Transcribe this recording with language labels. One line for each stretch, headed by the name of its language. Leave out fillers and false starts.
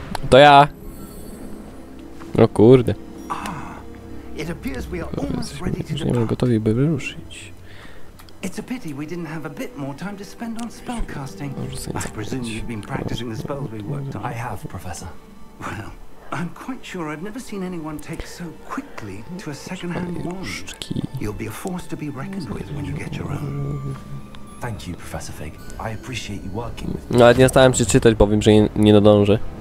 Polish: To ja. O kurde. Jesteśmy gotowi, by wyruszyć.
English: It's a pity we didn't have a bit more time to spend on spellcasting. I presume you've been practicing the spells we worked on. I have, Professor. Well, I'm quite sure I've never seen anyone take so quickly to a second-hand wand. You'll be a force to be reckoned with when you get your own. Thank you, Professor Fig. I appreciate you working with me.
Polish: No, ale nie stałem się czytać, bo wiem, że nie nadążę.